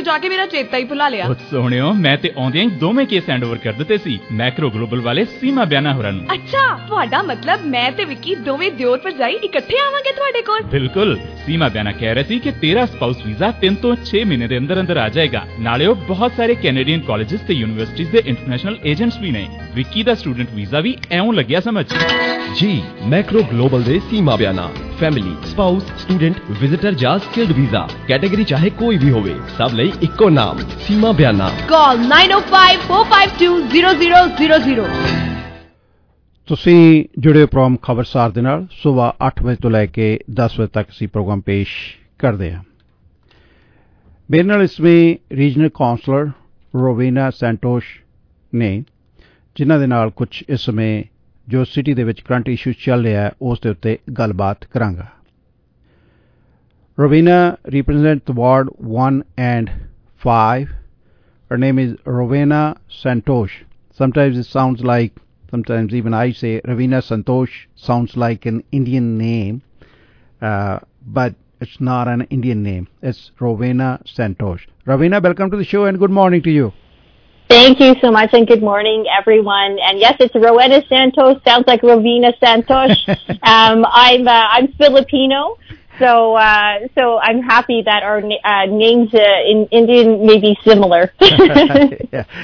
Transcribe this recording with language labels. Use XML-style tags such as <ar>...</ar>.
<pa>ਬਿਲਕੁਲ ਸੀਮਾ ਬਿਆਨਾ ਕਹਿ ਰਹੇ ਸੀ ਕਿ ਤੇਰਾ ਸਪਾਊਸ ਵੀਜ਼ਾ 3-6 ਮਹੀਨੇ ਦੇ ਅੰਦਰ ਅੰਦਰ ਆ ਜਾਏਗਾ ਨਾਲੇ ਉਹ ਬਹੁਤ ਸਾਰੇ ਕੈਨੇਡੀਅਨ ਕਾਲਜਿਸ ਤੇ ਯੂਨੀਵਰਸਿਟੀ ਦੇ ਇੰਟਰਨੈਸ਼ਨਲ ਏਜੰਟਸ ਵੀ ਨੇ ਵਿੱਕੀ ਦਾ ਸਟੂਡੈਂਟ ਵੀਜ਼ਾ ਵੀ ਇਉਂ ਲੱਗਿਆ ਸਮਝ ਜੀ ਮੈਕਰੋ ਗਲੋਬਲ ਦੇ ਸੀਮਾ ਬਿਆਨਾ फैमिली स्पाउस स्टूडेंट विजिटर या स्किल्ड वीजा कैटेगरी चाहे कोई भी होवे सब ले इको नाम सीमा बयाना कॉल 9054520000 ਤੁਸੀਂ ਜੁੜੇ ਪ੍ਰੋਗਰਾਮ ਖਬਰਸਾਰ ਦੇ ਨਾਲ ਸਵੇਰ 8 ਵਜੇ ਤੋਂ ਲੈ ਕੇ 10 ਵਜੇ ਤੱਕ ਅਸੀਂ ਪ੍ਰੋਗਰਾਮ ਪੇਸ਼ ਕਰਦੇ ਹਾਂ ਮੇਰੇ ਨਾਲ ਇਸ ਵੇ ਰੀਜਨਲ ਕੌਂਸਲਰ ਰੋਵੀਨਾ ਸੈਂਟੋਸ਼ ਨੇ ਜਿਨ੍ਹਾਂ ਦੇ ਨਾਲ ਕੁਛ ਇਸ ਸਮੇਂ ਜੋ ਸਿਟੀ ਦੇ ਵਿੱਚ ਕਰੰਟ ਇਸ਼ੂ ਚੱਲ ਰਿਹਾ ਉਸ ਦੇ ਉੱਤੇ ਗੱਲਬਾਤ ਕਰਾਂਗਾ</pa> <en>Rovina represent ward 1 and 5 her name is Rovina Santos sometimes it sounds like sometimes even I say Rovina Santosh sounds like an Indian name but it's not an Indian name it's Rovina Santos Rovina welcome to the show and good morning to you Thank you so much and good morning everyone. And yes, it's Rowena Santos. Sounds like Rowena Santos. I'm Filipino. So I'm happy that our names in Indian may be similar. Yeah.</en>